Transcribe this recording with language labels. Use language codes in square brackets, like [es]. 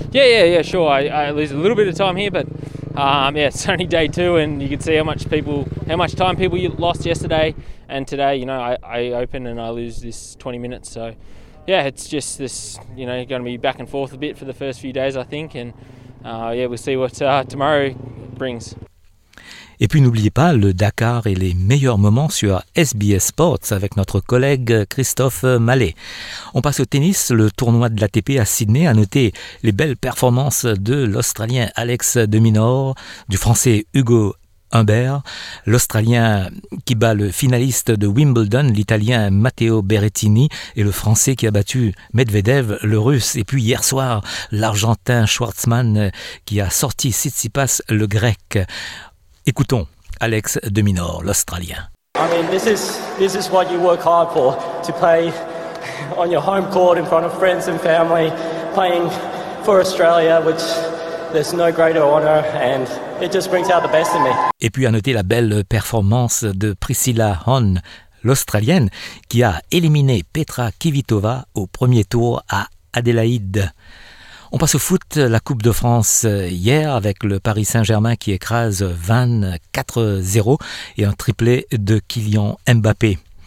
[en] I lose a little bit of time here, but it's only day two and you can see how much time people you lost yesterday and today. I open and I lose this 20 minutes, so it's just this, going to be back and forth a bit for the first few days, I think, and we'll see what tomorrow brings. [fr] Et puis n'oubliez pas le Dakar et les meilleurs moments sur SBS Sports avec notre collègue Christophe Mallet. On passe au tennis, le tournoi de l'ATP à Sydney a noté les belles performances de l'Australien Alex de Minaur, du Français Hugo Humbert, l'Australien qui bat le finaliste de Wimbledon, l'Italien Matteo Berrettini et le Français qui a battu Medvedev, le Russe. Et puis hier soir, l'Argentin Schwartzman qui a sorti Tsitsipas, le Grec. Écoutons Alex de Minaur, l'Australien. [en] I mean, this is what you work hard for, to play on your home court in front of friends and family, playing for Australia, which there's no greater honor, and it just brings out the best in me. [fr] Et puis à noter la belle performance de Priscilla Hahn, l'Australienne, qui a éliminé Petra Kvitova au premier tour à Adélaïde. On passe au foot, la Coupe de France hier avec le Paris Saint-Germain qui écrase 24-0 et un triplé de Kylian Mbappé.